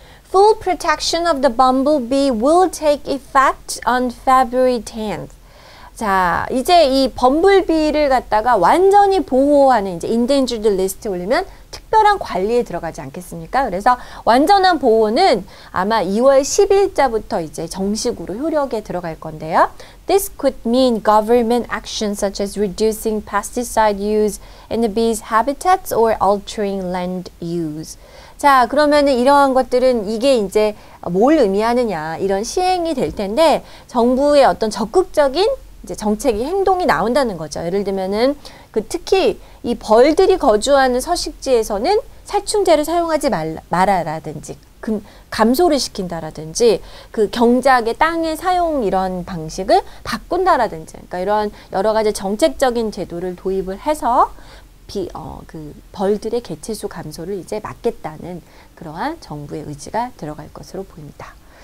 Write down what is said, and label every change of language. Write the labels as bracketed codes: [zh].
[en] Full protection of the bumblebee will take effect on February 10th. [ko] 자, 이제 이 범블비를 갖다가 완전히 보호하는 이제 endangered list에 올리면 특별한 관리에 들어가지 않겠습니까? 그래서 완전한 보호는 아마 2월 10일자부터 이제 정식으로 효력에 들어갈 건데요. [en] This could mean government action such as reducing pesticide use in the bees habitats or altering land use. [ko] 자, 그러면은 이러한 것들은 이게 이제 뭘 의미하느냐, 이런 시행이 될 텐데 정부의 어떤 적극적인 이제 정책이 행동이 나온다는 거죠. 예를 들면은 그 특히 이 벌들이 거주하는 서식지에서는 살충제를 사용하지 말아라든지 감소를 시킨다라든지 그 경작의 땅의 사용 이런 방식을 바꾼다라든지 그러니까 이런 여러 가지 정책적인 제도를 도입을 해서 그 벌들의 개체수 감소를 이제 막겠다는 그러한 정부의 의지가 들어갈 것으로 보입니다.